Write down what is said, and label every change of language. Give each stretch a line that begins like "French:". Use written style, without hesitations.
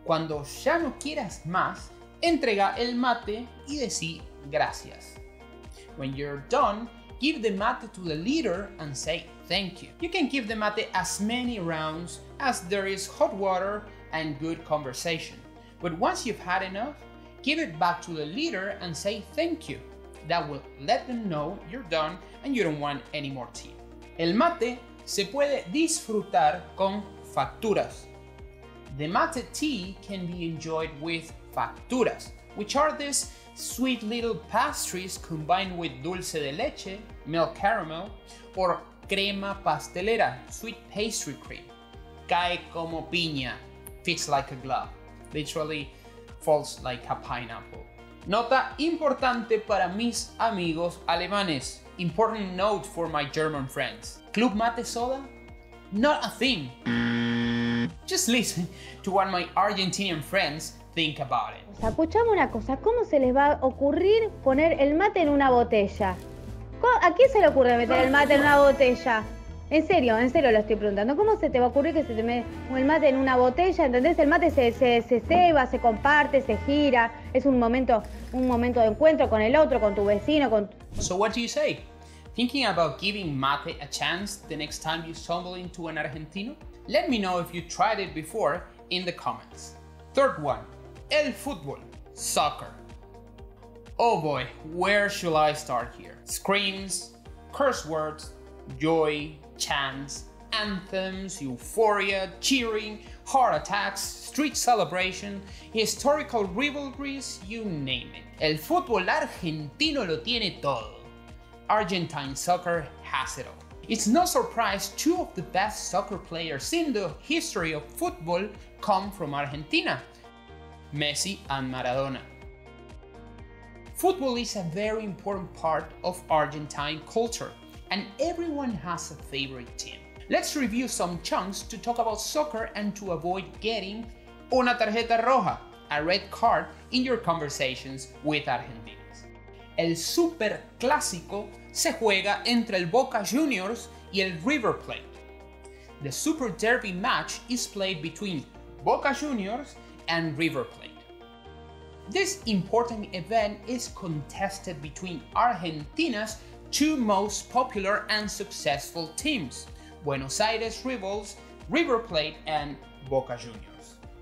Spanish: Cuando ya no quieras más, entrega el mate y decí gracias.
English: When you're done, give the mate to the leader and say thank you. You can give the mate as many rounds as there is hot water and good conversation. But once you've had enough, give it back to the leader and say thank you. That will let them know you're done and you don't want any more tea.
Spanish: El mate se puede disfrutar con facturas.
English: The mate tea can be enjoyed with facturas, which are these sweet little pastries combined with dulce de leche, milk caramel, or crema pastelera, sweet pastry cream.
Spanish: Cae como piña,
English: fits like a glove, literally falls like a pineapple.
Spanish: Nota importante para mis amigos alemanes.
English: Important note for my German friends. Club mate soda? Not a thing. Just listen to what my Argentinian friends think about it.
Spanish: O sea, escuchame una cosa, ¿cómo se les va a ocurrir poner el mate en una botella? ¿A quién se le ocurre meter el mate en una botella? En serio lo estoy preguntando. ¿Cómo se te va a ocurrir que se te mete el mate en una botella? ¿Entendés? El mate se ceba, se comparte, se gira. Es un momento de encuentro con el otro, con tu vecino, con...
English: So what do you say? Thinking about giving mate a chance the next time you stumble into an Argentino? Let me know if you tried it before in the comments. Third one, el fútbol, soccer. Oh boy, where shall I start here? Screams, curse words, joy, chants, anthems, euphoria, cheering, heart attacks, street celebration, historical rivalries, you name it.
Spanish: El fútbol argentino lo tiene todo.
English: Argentine soccer has it all. It's no surprise two of the best soccer players in the history of football come from Argentina, Messi and Maradona. Football is a very important part of Argentine culture, and everyone has a favorite team. Let's review some chunks to talk about soccer and to avoid getting
Spanish: una tarjeta roja,
English: a red card, in your conversations with Argentinos.
Spanish: El Super Clásico se juega entre el Boca Juniors y el River Plate.
English: The Super Derby match is played between Boca Juniors and River Plate. This important event is contested between Argentina's two most popular and successful teams, Buenos Aires Rivals, River Plate and Boca Juniors.